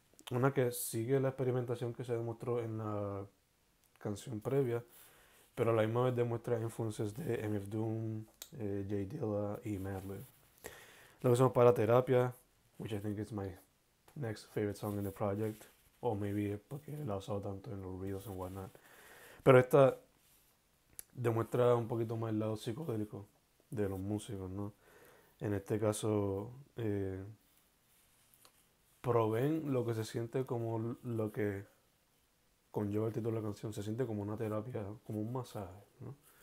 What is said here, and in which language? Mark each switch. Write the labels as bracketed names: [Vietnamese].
[Spanish] Una que sigue la experimentación que se demostró en la canción previa, pero a la misma vez demuestra influencias de MF Doom, J Dilla y Madlib. Luego eso para [English] Terapia, which I think is my next favorite song in the project, o maybe [Spanish] porque la he usado tanto en los [English] reels and whatnot. [Spanish] Pero esta demuestra un poquito más el lado psicodélico de los músicos, ¿no? En este caso, proveen lo que se siente como lo que conlleva el título de la canción. Se siente como una terapia, como un masaje, ¿no?